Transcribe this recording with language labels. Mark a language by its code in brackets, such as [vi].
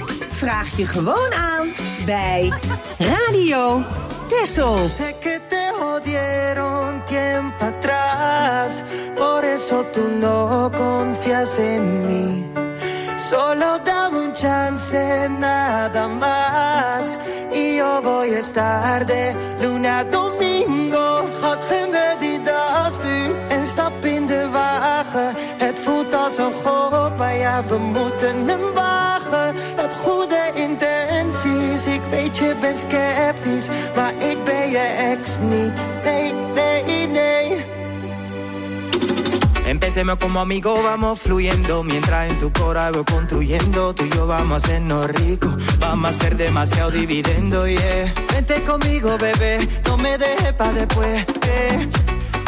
[nl] Vraag je gewoon aan bij Radio Texel. [es] Sé que te jodieron tiempo atrás, por eso tú no confías en mí. Solo dame un chance nada más, y yo voy a estar de luna a domingo. [nl] Schat, geen bedi das nu, en stap in de wagen. Het voelt als een gok, maar ja, we moeten hem wagen. Heb goede intenties, ik weet je bent sceptisch. Maar ik ben je ex niet, nee, nee, nee. [es] Empecemos como amigo, vamos fluyendo. Mientras en tu cora voy construyendo. Tú y yo vamos a hacernos ricos. Vamos a hacer demasiado dividendo, yeah. Vente conmigo, bebé, no me dejes pa' después, yeah.